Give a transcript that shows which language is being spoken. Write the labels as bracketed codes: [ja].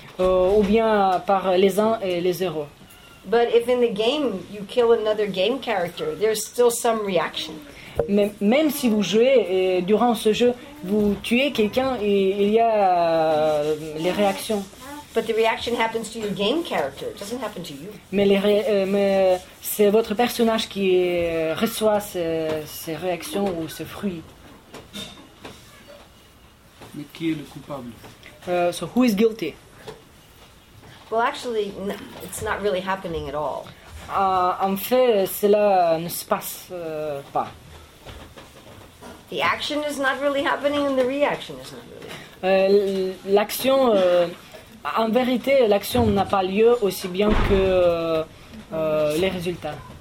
[fr] Ou bien par les uns et les zéros. [en] But if in the game you kill another game character, there's still some reaction. [fr] Mais même si vous jouez et durant ce jeu, vous tuez quelqu'un et il y a les réactions. [en] But the reaction happens to your game character. It doesn't happen to you. [fr] Mais c'est votre personnage qui reçoit ces réactions ou ces fruits. Mais qui est le coupable? [en] So who is guilty? Well, actually, it's not really happening at all. [fr] En fait, cela ne se passe pas. [en] The action is not really happening and the reaction is not really happening. [fr] L'action... En vérité, l'action n'a pas lieu aussi bien que les résultats.